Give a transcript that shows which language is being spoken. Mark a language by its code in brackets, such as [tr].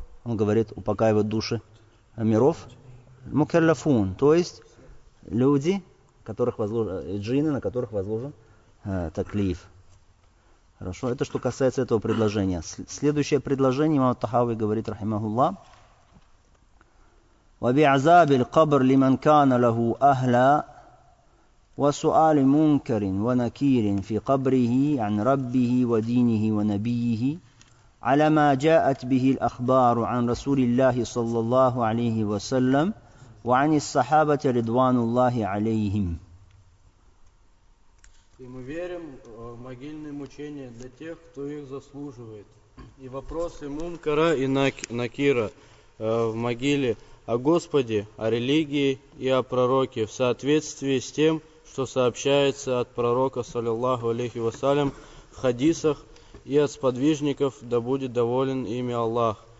[ru] Он говорит, упокаивает души миров. Мукерляфун, то есть люди, которых возложен, джинны, на которых возложен таклиф. Хорошо, это что касается этого предложения. Следующее предложение, имам Тахави говорит, рахимахулла. [ar] وبعذاب القبر لمن كان له أهلا وسؤال منكر ونكير في قبره عن ربه ودينه ونبيه على ما جاءت به الأخبار عن رسول الله صلى الله عليه وسلم وعن الصحابة رضوان الله عليهم. [ru] И мы верим в могильные мучения для тех, кто их заслуживает. И вопросы мункара и накира в могиле о Господе, о религии и о пророке в соответствии с тем, что сообщается от пророка, саллиллаху алейхи вассалям, в хадисах и от сподвижников, да будет доволен ими Аллах.